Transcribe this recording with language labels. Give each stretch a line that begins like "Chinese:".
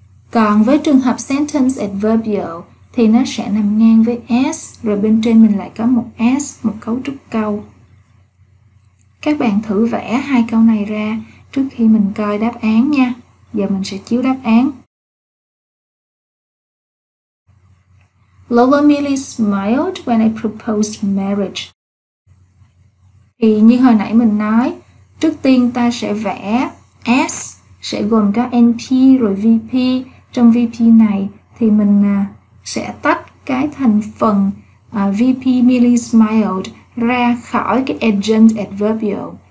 Vietnamese: Còn với trường hợp sentence adverbial thì nó sẽ nằm ngang với S, rồi bên trên mình lại có một S, một cấu trúc câu. Các bạn thử vẽ hai câu này ra trước khi mình coi đáp án nha. Giờ mình sẽ chiếu đáp án.
English: Lola merely smiled when I proposed marriage.
Vietnamese: Thì như hồi nãy mình nói, trước tiên ta sẽ vẽ S, sẽ gồm có NP rồi VP. Trong VP này thì mình sẽ tách cái thành phần VP
English: merely smiled
Vietnamese: ra khỏi cái adjunct adverbial.